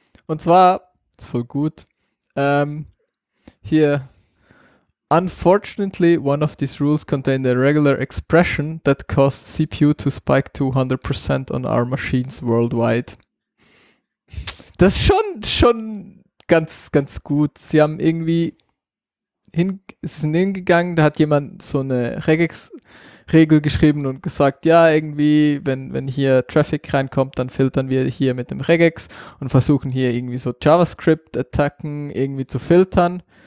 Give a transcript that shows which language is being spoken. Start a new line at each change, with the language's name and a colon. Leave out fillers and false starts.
German: Und zwar, ist voll gut, hier.
English: Unfortunately, one of these rules contained a regular expression that caused CPU to spike 200% on our machines worldwide.
German: Das ist schon ganz, ganz gut. Sie haben irgendwie sind hingegangen, da hat jemand so eine Regel geschrieben und gesagt, ja, irgendwie, wenn hier Traffic reinkommt, dann filtern wir hier mit dem Regex und versuchen hier irgendwie so JavaScript-Attacken irgendwie zu filtern.